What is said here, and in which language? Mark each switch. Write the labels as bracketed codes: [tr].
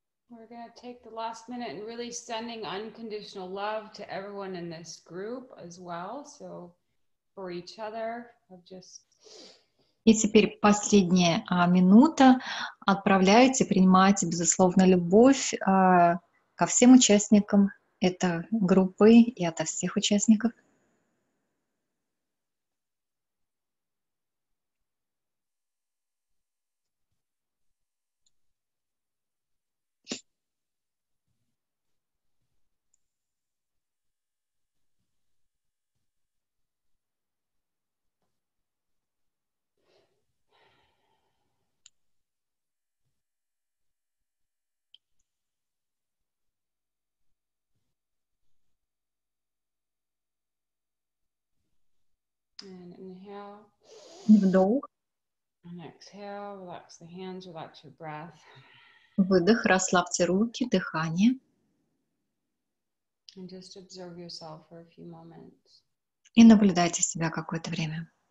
[en] We're going to take the last minute and really sending unconditional love to everyone in this group as well. So for each other, of just. [ru] И теперь последняя минута. Отправляете, принимаете безусловную любовь ко всем участникам этой группы и ото всех участников. [en] And inhale. [ru] Вдох. [en] And exhale. Relax the hands, relax your breath. [ru] Выдох, расслабьте руки, дыхание. [en] And just observe yourself for a few moments. [ru] И наблюдайте себя какое-то время.